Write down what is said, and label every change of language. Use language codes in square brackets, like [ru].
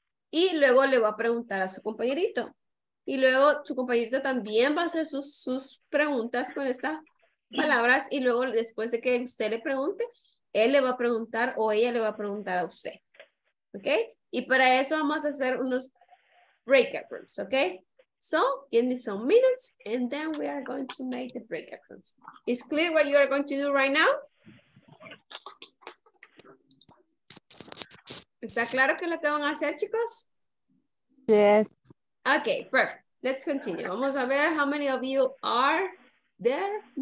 [es] Y luego le va a preguntar a su compañerito. Y luego su compañerito también va a hacer sus preguntas con estas palabras. Y luego después de que usted le pregunte, él le va a preguntar o ella le va a preguntar a usted. ¿Ok? Y para eso vamos a hacer unos breakout rooms. ¿Ok? [en] So, give me some minutes and then we are going to make the breakout rooms. Is clear what you are going to do right now? [es] ¿Está claro qué es lo que van a hacer, chicos? [en] Yes. Okay, perfect. Let's continue. [es] Vamos a ver [en] how many of you are there.